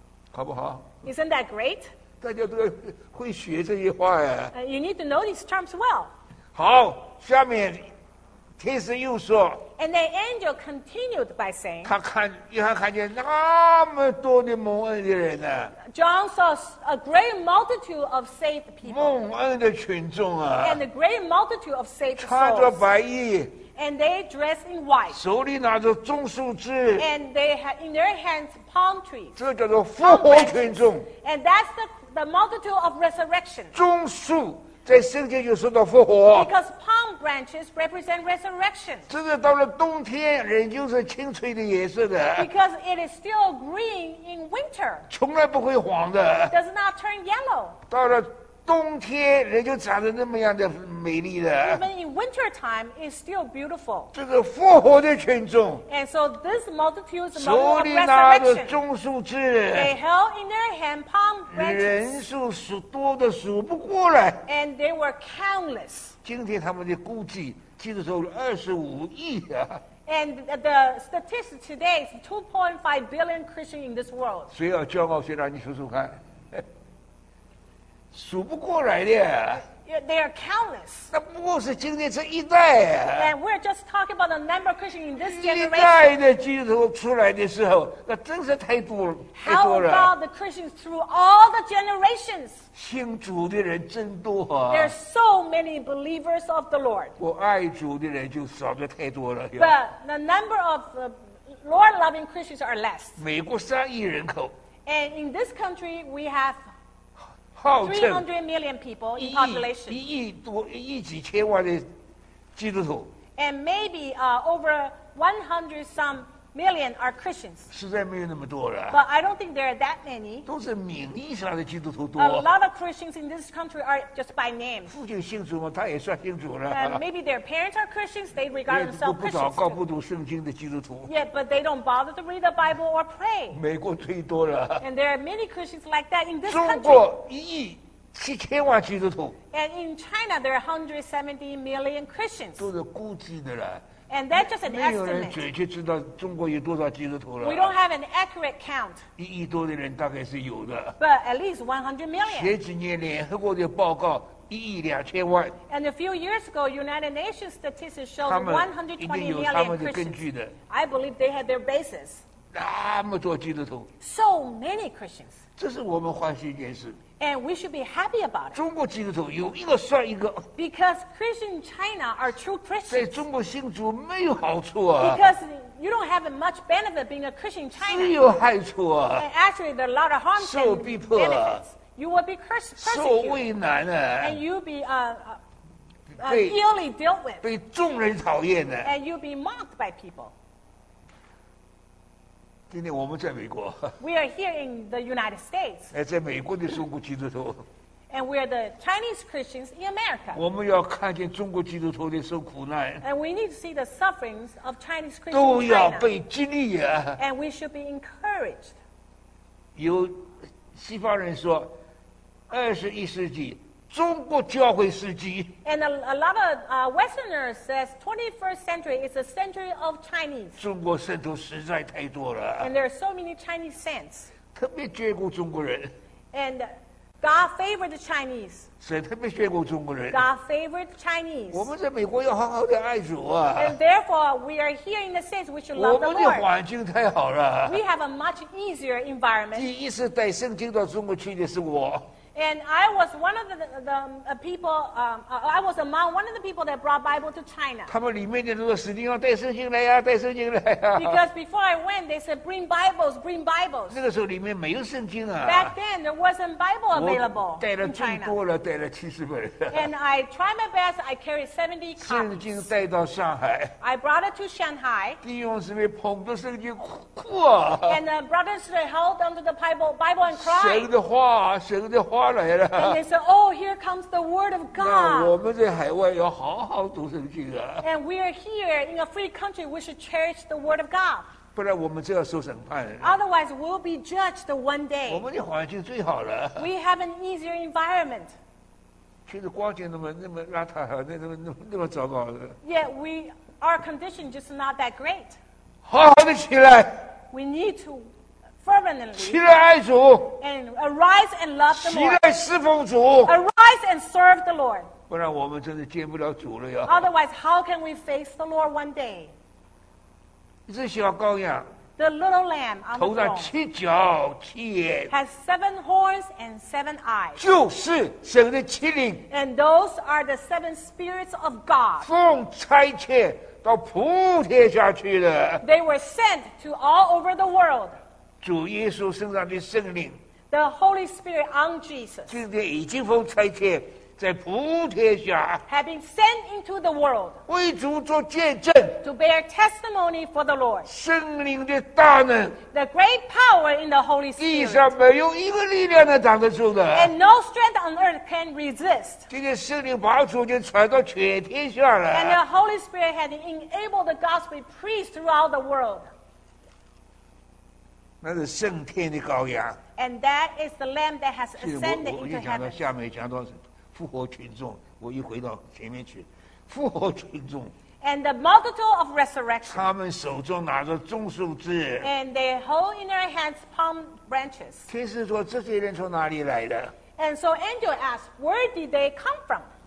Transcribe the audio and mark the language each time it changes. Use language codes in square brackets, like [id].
[zh] 好不好 [en] ？Isn't that great? [zh] 大家都会学这些话呀。 [en] You need to know these terms well. [zh] 好，下面天使又说。 [en] And the angel continued by saying. [zh] 他看，约翰看见那么多的蒙恩的人呢、啊。 [en] John saw a great multitude of saved people. [zh] 蒙恩的群众啊。 [en] And a great multitude of saved souls. [zh] 穿着白衣。 [en] And they dressed in white. [zh] 手里拿着棕树枝。 [en] And they had in their hands palm trees. [zh] 这叫做复活群众。 [en] And that's the multitude of resurrection. [zh] 棕树在圣经就说到复活。 [en] Because palm branches represent resurrection. [zh] 这个到了冬天，仍旧是青翠的颜色的。 [en] Because it is still green in winter. [zh] 从来不会黄的。 [en] Does not turn yellow. [zh] 到了冬天，仍旧长得那么样的美丽的。 [en] Even in winter time, it's still beautiful. [zh] 这个复活的群众。 [en] And so this multitude is among the resurrection. [zh] 手里拿着棕树枝。 [en] They held in their hand palm branches. [zh] 人数数多的数不过来。 [en] And they were countless. [zh] 今天他们的估计，记得说25亿啊。 [en] And the statistics today is 2.5 billion Christians in this world. [zh] 谁要骄傲，谁让你数数看，数不过来的。 [en] They are countless. [zh] 那不过是今天这一代啊。 [en] And we're just talking about the number of Christians in this generation. [zh] 一代的基督徒出来的时候，那真是太多了。 [en] How about the Christians through all the generations? [zh] 信主的人真多啊。 [en] There are so many believers of the Lord. [zh] 我爱主的人就少得太多了。 [en] But the number of the Lord-loving Christians are less. [zh] 美国3亿人口。 [en] And in this country, we have. 300 million people in population. [zh] 一亿几千万的基督徒。 [en] And maybe over 100 some million are Christians. [zh] 实在没有那么多了。 [en] But I don't think there are that many. [zh] 都是名义上的基督徒多。 [en] A lot of Christians in this country are just by name. [zh] 父亲信主嘛，他也算信主了。 [en] And maybe their parents are Christians. They regard themselves Christians. [zh] 不祷告、不读圣经的基督徒。 [en] Yeah, but they don't bother to read the Bible or pray. [zh] 美国最多了。 [en] And there are many Christians like that in this country. [zh] 中国1亿7千万基督徒。 [en] And in China, there are 170 million Christians. [zh] 都是估计的了。 [en] And that's just an estimate. [zh] 没有人准确知道中国有多少基督徒了。 [en] We don't have an accurate count. [zh] 一亿多的人大概是有的。 [en] But at least 100 million. [zh] 前几年联合国的报告1亿2千万。 [en] And a few years ago, United Nations statistics showed 120 million Christians. [zh] 他们一定有他们的根据的。 [en] I believe they had their basis. [zh] 那么多基督徒。 [en] So many Christians. [zh] 这是我们欢喜一件事。 [en] And we should be happy about it. [zh] 中国基督徒有一个算一个。 [en] Because Christians in China are true Christians. [zh] 在中国信主没有好处啊。 [en] Because you don't have much benefit being a Christian in China. [zh] 只有害处啊。 [en] And actually, there are a lot of harms and benefits. [zh] 受逼迫啊。 [en] You will be persecuted. [zh] 受为难啊。 [en] And you'll be illy dealt with. [zh] 被众人讨厌的。 [en] And you'll be mocked by people. [zh] 今天我们在美国。 [en] We are here in the United States. [zh] 在美国的中国基督徒。 [en] And we are the Chinese Christians in America. [zh] 我们要看见中国基督徒的受苦难。 [en] And we need to see the sufferings of Chinese Christians in China. [zh] 都要被激励啊。 [en] And we should be encouraged. [zh] 有西方人说， [en] 21st century， [zh] 中国教会时期。 [en] And a lot of Westerners says 21st century is a century of Chinese. [zh] 中国圣徒实在太多了。 [en] And there are so many Chinese saints. [zh] 特别眷顾中国人。 [en] And God favored the Chinese. [zh] 神特别眷顾中国人。 [en] God favored Chinese. [zh] 我们在美国要好好的爱主啊。 [en] And therefore, we are here in the States, we should love the Lord. [zh] 我们的环境太好了。 [en] We have a much easier environment. [zh] 第一次带圣经到中国去的是我。 [en] And I was one of the people, I was among one of the people that brought Bible to China. [zh] 他们里面的人都死定了，带圣经来呀，带圣经来呀。 [en] Because before I went, they said, bring Bibles, bring Bibles. [zh] 那个时候里面没有圣经啊。 [en] Back then, there wasn't Bible available. [zh] 带了最多了，带了70本。 [en] And I tried my best, I carried 70 copies. [zh] 圣经带到上海。 [en] I brought it to Shanghai. [zh] 弟兄姊妹捧着圣经哭啊。 [en] And the brothers held under the Bible and cried. [zh] 神的话，神的话。 [en] And they said, oh, here comes the word of God. [zh] 那我们在海外要好好读圣经啊。 [en] And we are here in a free country. We should cherish the word of God. [zh] 不然我们就要受审判。 [en] Otherwise, we'll be judged one day. [zh] 我们的环境最好了。 [en] We have an easier environment. [zh] 其实光景那么邋遢，那么糟糕的。 [en] Yet we, our condition just not that great. [zh] 好好的起来。 [en] We need to. Fervently, [zh] 起来爱主 [en] and arise and love the Lord. [zh] 起来侍奉主 [en] arise and serve the Lord. [zh] 不然我们真的见不了主了呀。 [en] Otherwise, how can we face the Lord one day? [zh] 这小羔羊 [en] the little lamb on the throne, [zh] 头上七角七眼 [en] has 7 horns and 7 eyes. [zh] 就是神的七灵 [en] and those are the 7 spirits of God. [zh] 奉差遣到普天下去的 [en] they were sent to all over the world. [zh] 主耶稣身上的圣灵 [en] The Holy Spirit on Jesus [zh] 今天已经奉差遣在普天下 [en] have been sent into the world [zh] 为主做见证 [en] to bear testimony for the Lord [zh] 圣灵的大能 [en] the great power in the Holy Spirit [zh] 地上没有一个力量能挡得住的 [en] and no strength on earth can resist [zh] 今天圣灵把主就传到全天下了 [en] and the Holy Spirit had enabled the gospel to preach throughout the world [zh] 那是圣天的羔羊 [en] and that is the lamb that has ascended into heaven [zh] 讲到下面讲到复活群众，我一回到前面去，复活群众。 [en] And the multitude of resurrection. [zh] 他们手中拿着棕树枝。 [en] And they hold in their hands palm branches. [zh] 天使说：“这些人从哪里来的 [en] ？”And so angel asked, "Where did they come from?"